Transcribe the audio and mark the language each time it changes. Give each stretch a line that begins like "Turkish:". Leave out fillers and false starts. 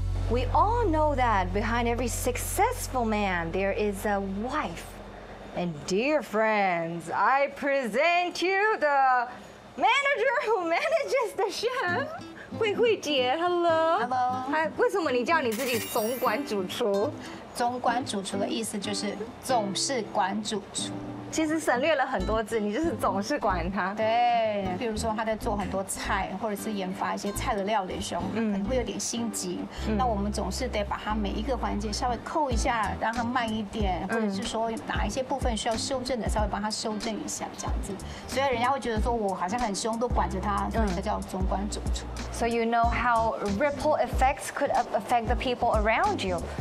English: We all know that behind every successful man, there is a wife. And dear friends, I present you the manager who manages the chef. 慧慧姐, hello. Hello.
Chinese: Hi, 为什么你叫你自己总管主厨? 总管主厨的意思就是总是管主厨。其实省略了很多字，你就是总是管他。对，比如说他在做很多菜，或者是研发一些菜的料理的时候，可能会有点心急。那我们总是得把他每一个环节稍微扣一下，让他慢一点，或者是说哪一些部分需要修正的，稍微帮他修正一下这样子。所以
English: you know how ripple effects could affect the people around you.